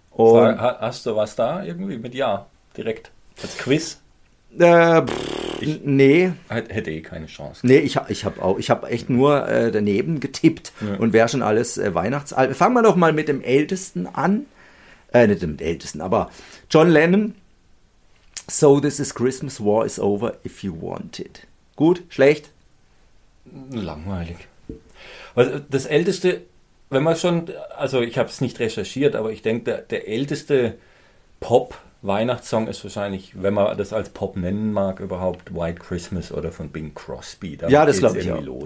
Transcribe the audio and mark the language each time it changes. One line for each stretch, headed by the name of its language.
German: Und hast du was da irgendwie mit Ja direkt als Quiz? Hätte eh keine Chance. Nee, ich hab echt nur daneben getippt und wäre schon alles Weihnachtsalbum. Fangen wir doch mal mit dem Ältesten an. Nicht mit dem Ältesten, aber John Lennon.
English: So this is Christmas, war is over if you want it.
German: Gut, schlecht? Langweilig. Also das Älteste, wenn man schon, also ich habe es nicht recherchiert, aber ich denke, der älteste Pop Weihnachtssong ist wahrscheinlich, wenn man das als Pop nennen mag, überhaupt White Christmas oder von Bing Crosby. Damit ja, das glaube ich auch. Los.